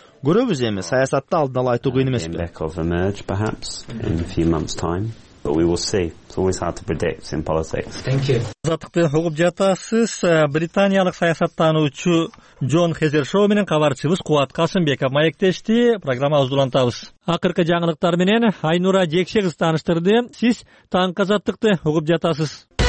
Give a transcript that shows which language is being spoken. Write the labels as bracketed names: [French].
[Kyrgyz] Көрөбүз эми, саясатты алдын ала айтуу кыйын эмеспи? [English] Жээнбеков emerge perhaps in a few months time. But we will see. It's always hard to predict in politics. Thank you. [Kyrgyz] Азаттыктын угуп жатасыз. Британиялык саясаттануучу Джон Хезер Шоу менен кабарчыбыз Кубат Касымбеков маектешти. Программабызды улантабыз. Акыркы жаңылыктар менен Айнура Жекше кыз тааныштырды. Сиз таңкы азаттыкты угуп жатасыз.